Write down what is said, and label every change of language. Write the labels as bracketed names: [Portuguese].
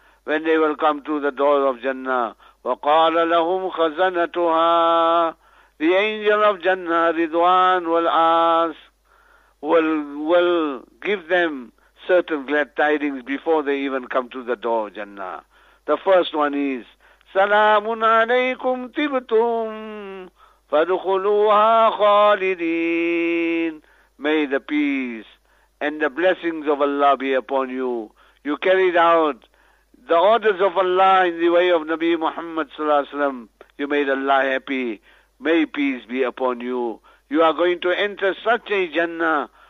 [English] When they will come to the doors of Jannah, [Arabic] وَقَالَ لَهُمْ خَزَنَتُهَا, [English] the angel of Jannah, Ridwan, will ask, will give them certain glad tidings before they even come to the door of Jannah. The first one is, [Arabic] سَلَامٌ عَلَيْكُمْ تِبْتُمْ فَدُخُلُوهَا خَالِدِينَ. [English] May the peace and the blessings of Allah be upon you. You carried out the orders of Allah in the way of Nabi Muhammad sallallahu alaihi wasallam. You made Allah happy. May peace be upon you. You are going to enter such a Jannah.